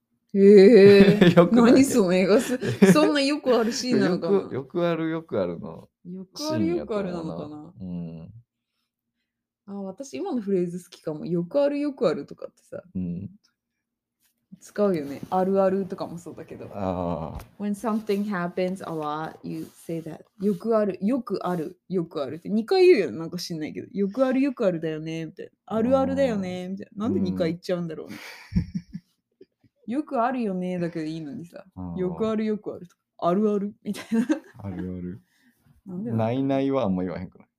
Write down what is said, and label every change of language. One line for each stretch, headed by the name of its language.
Japanese: よくない、何その映画そんなよくあるシーンなのかな。よくあるよくあるのシーンやったな。よくあるよくあるなのかな、うん、あ、私今のフレーズ好きかも。よくあるよくあるとかってさ、うん、使うよね。あるあるとかもそうだけど、あ、
English: When something happens a lot you say that。
Japanese: よくあるよくあるよくあるって2回言うよね。なんか知んないけど、よくあるよくあるだよねみたいな、あるあるだよねみたいな、なんで2回言っちゃうんだろうね、うん。よくあるよねだけでいいのにさ、よくあるよくあるとか、あるあるみたいな。あるある、なんでだ、ないないはあんま言わへんくない